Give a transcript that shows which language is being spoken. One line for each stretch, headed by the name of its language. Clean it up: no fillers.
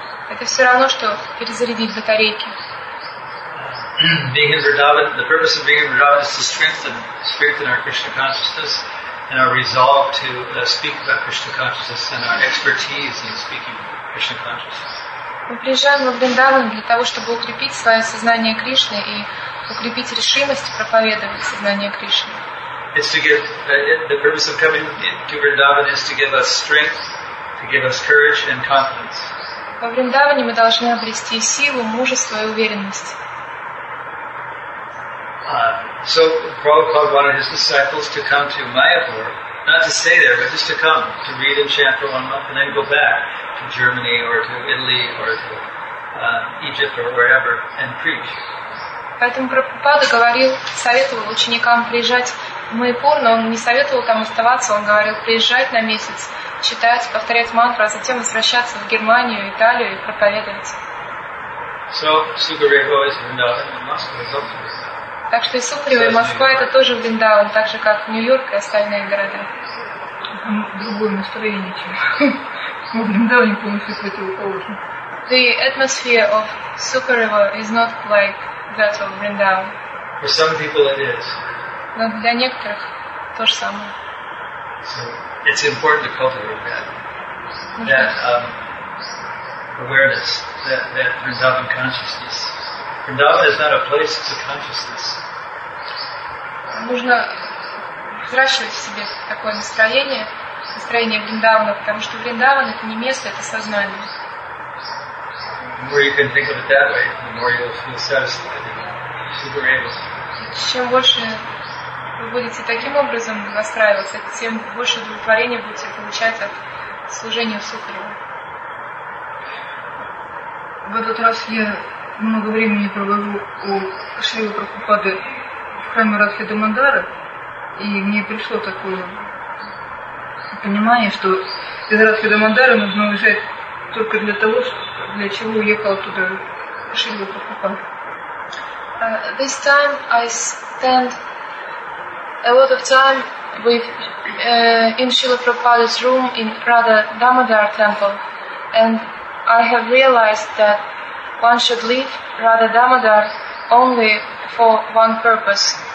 Russian: Это все равно, что перезарядить батарейки.
English: Being in Vrindavan, the purpose of being in Vrindavan is to strengthen our Krishna consciousness and our resolve to speak about Krishna consciousness and our expertise in speaking Krishna consciousness.
Russian: Мы приезжаем во Вриндаван для того, чтобы укрепить свое сознание Кришны и укрепить решимость проповедовать сознание Кришны.
English: It's to give the purpose of coming to Vrindavan is to give us strength, to give us courage and confidence.
Russian: Во Вриндаване мы должны обрести силу, мужество и уверенность.
English: So Prabhupada wanted his disciples to come to Mayapur, not to stay there, but just to come to read and chant for 1 month and then go back to Germany or to Italy or to Egypt or wherever and preach.
Russian: Поэтому Прабхупада говорил, советовал ученикам приезжать в Майпур, но он не советовал там оставаться. Он говорил приезжать на месяц, читать, повторять мантру, а затем возвращаться в Германию, Италию и проповедовать.
English: So Sukhadeva is Vrindavan and Moscow is also.
Russian: Так что Сукхадева и Москва — это тоже Вриндаван, так же как Нью-Йорк и остальные города. Другое настроение, чем в Вриндаване, полностью противоположно.
English: The atmosphere of Sukhadeva is not like that of Vrindavan. For some people it is.
Russian: Но для некоторых то же самое.
English: So it's important to cultivate that, awareness, that Vrindavan consciousness. Vrindavan is not a place, it's a consciousness.
Russian: Нужно взращивать в себе такое настроение, настроение Вриндавана, потому что Вриндаван — это не место, это сознание.
English: The more you can think of it that way, the more you'll feel satisfied and super able.
Russian: Чем больше вы будете таким образом настраиваться, тем больше удовлетворения будете получать от служения Сукхадеве. В этот раз я много времени провожу у Шрилы Прабхупады в храме Радхиды Мандары, и мне пришло такое понимание, что из Радхиды Мандары нужно уезжать только для того, для чего уехал туда Шрила Прабхупада.
English: This time I spent a lot of time with in Srila Prabhupada's room in Radha Damodar temple, and I have realized that one should leave Radha Damodar only for one purpose.